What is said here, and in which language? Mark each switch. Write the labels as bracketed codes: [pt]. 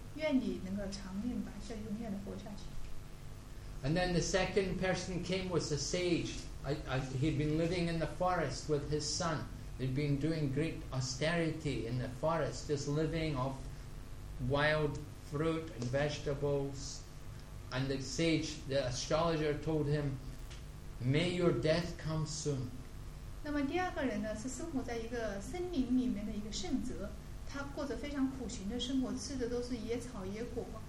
[zh] 当时第一个来的人呢，是一个国王的儿子，一个王子。于是那个星象学家就祝福他说，愿你能够长命百岁，永远的活下去。 [en] And then the second person came was a sage. He'd been living in the forest with his son. He'd been doing great austerity in the forest, just living off wild fruit and vegetables. And the sage, the astrologer told him, "May your death come soon." [zh] 那么第二个人呢，是生活在一个森林里面的一个圣者，他过着非常苦行的生活，吃的都是野草野果。